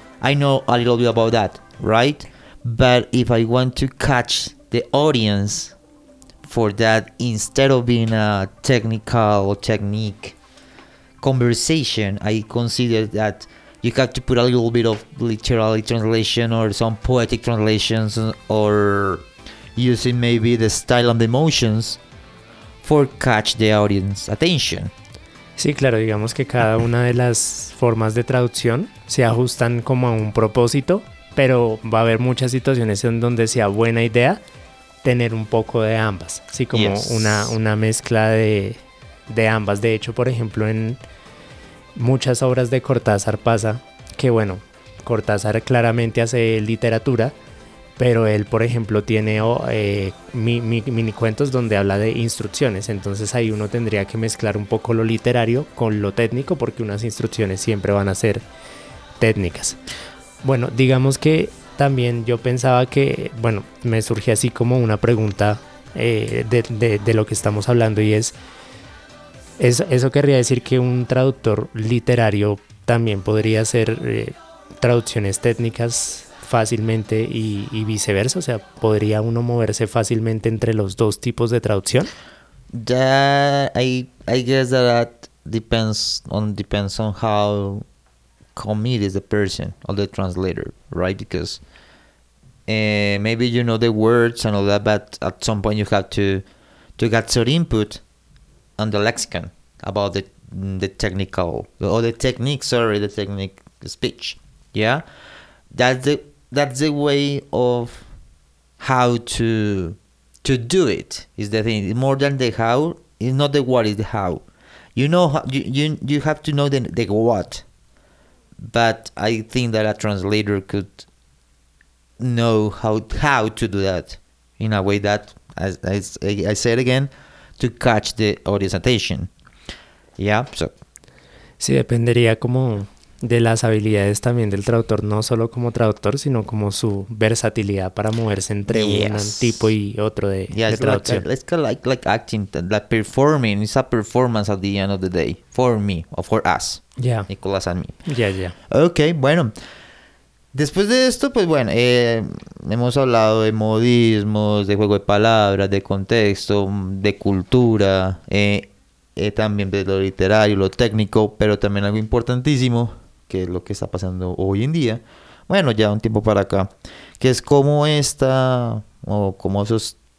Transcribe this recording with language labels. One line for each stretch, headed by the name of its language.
English: I know a little bit about that, right? But if I want to catch the audience for that, instead of being a technical or technique conversation, I consider that you have to put a little bit of literary translation or some poetic translations or using maybe the style and the emotions for catch the audience attention.
Spanish: Sí, claro, digamos que cada una de las formas de traducción se ajustan como a un propósito, pero va a haber muchas situaciones en donde sea buena idea tener un poco de ambas, así como una mezcla de ambas. De hecho, por ejemplo, en muchas obras de Cortázar pasa que, bueno, Cortázar claramente hace literatura, pero él, por ejemplo, tiene mini cuentos donde habla de instrucciones. Entonces ahí uno tendría que mezclar un poco lo literario con lo técnico, porque unas instrucciones siempre van a ser técnicas. Bueno, digamos que también yo pensaba que, bueno, me surgió así como una pregunta de lo que estamos hablando, y es, eso querría decir que un traductor literario también podría hacer traducciones técnicas fácilmente y viceversa. O sea, ¿podría uno moverse fácilmente entre los dos tipos de traducción?
English: I guess that depends on how committed is the person or the translator, right? Because maybe you know the words and all that, but at some point you have to get some input on the lexicon about the technique speech. Yeah, that's the way of how to do it, is the thing. More than the how, it's not the what, is the how. You know, you have to know the what, but I think that a translator could know how to do that in a way that, as I say it again, to catch the audience attention. Yeah, so.
Spanish: Sí, dependería como de las habilidades también del traductor, no solo como traductor, sino como su versatilidad para moverse entre un tipo y otro de traducción.
English: Yeah, it's like acting, like performing. It's a performance at the end of the day for me or for us. Yeah. Nicolás and me. Yeah, yeah.
Spanish: Okay, bueno. Después de esto, pues bueno, hemos hablado de modismos, de juego de palabras, de contexto, de cultura, también de lo literario, lo técnico, pero también algo importantísimo, que es lo que está pasando hoy en día, bueno, ya un tiempo para acá, que es cómo esta, o cómo esos